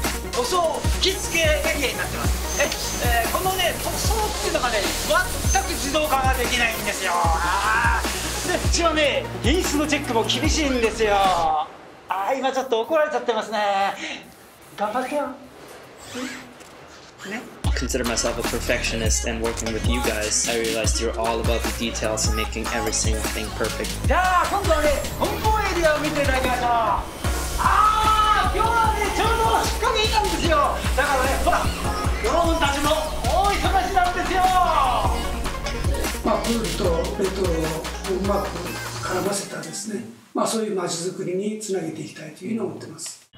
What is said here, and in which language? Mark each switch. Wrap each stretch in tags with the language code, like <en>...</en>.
<ja>塗装吹き付けエリアになってます。このね、塗装っていうのがね、全く自動化ができないんですよ。で、うちはね、品質のチェックも厳しいんですよ。あー、今ちょっと怒られちゃってますね。頑張ってよ、ね。</ja> <en>Consider myself a perfectionist, and working with you guys, I realized you're all about the details and making every single thing perfect.</en> <ja>じゃあ、今度はね、梱包エリアを見ていただきましょう。あー、今日はね、ちょうど仕込みなんですよ。だからね、ほら、ドローンたちも大忙しなんですよ。まあ、プールとベッドをうまく絡ませたですね、まあ、そういう街づくりにつなげていきたいというふうに思ってます。</ja>